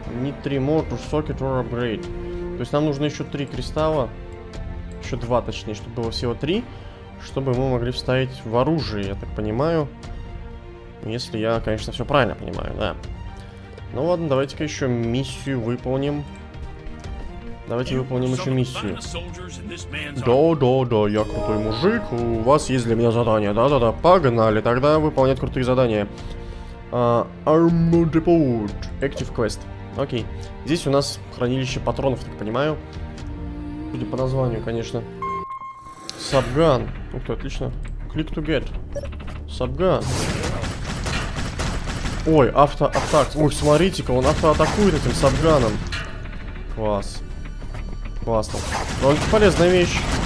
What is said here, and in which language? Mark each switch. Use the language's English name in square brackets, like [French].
[English] Need 3 more to socket or upgrade. [Russian] То есть нам нужно еще 3 кристалла. Еще 2, точнее, чтобы было всего 3. Чтобы мы могли вставить в оружие, я так понимаю. Если я, конечно, все правильно понимаю, да. Ну ладно, давайте-ка еще миссию выполним. Давайте выполним еще миссию. Да, я крутой мужик, у вас есть для меня задание. Да, погнали, тогда выполнять крутые задания. [English] Armored Depot, Active Quest. [Russian] Окей, здесь у нас хранилище патронов, так понимаю. Судя по названию, конечно. [English] Subgun. [Russian] Ух ты, отлично. [English] Click to get. Subgun. [Russian] Ой, автоатак. Ой, смотрите-ка, он автоатакует этим сабганом. Класс. Классно. Но это полезная вещь.